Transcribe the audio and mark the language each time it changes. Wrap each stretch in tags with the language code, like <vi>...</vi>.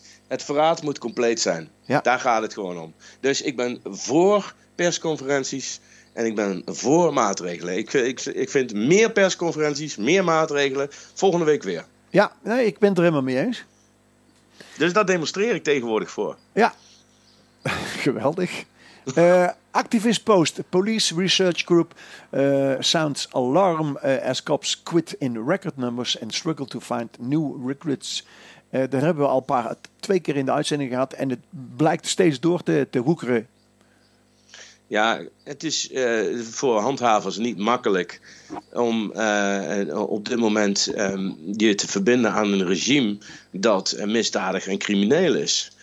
<nl>Het verraad moet compleet zijn. Ja. Daar gaat het gewoon om. Dus ik ben voor persconferenties en ik ben voor maatregelen. Ik vind meer persconferenties, meer maatregelen, volgende week weer. Ja, nee, ik ben het er helemaal mee eens. Dus daar demonstreer ik tegenwoordig voor. Ja, geweldig.</nl> <en>Activist post, police research group sounds alarm as cops quit in record numbers and struggle to find new recruits.</en> <nl>Daar hebben we al twee keer in de uitzending gehad en het blijkt steeds door te hoekeren. Ja, het is voor handhavers niet makkelijk om op dit moment je te verbinden aan een regime dat misdadig en crimineel is.</nl>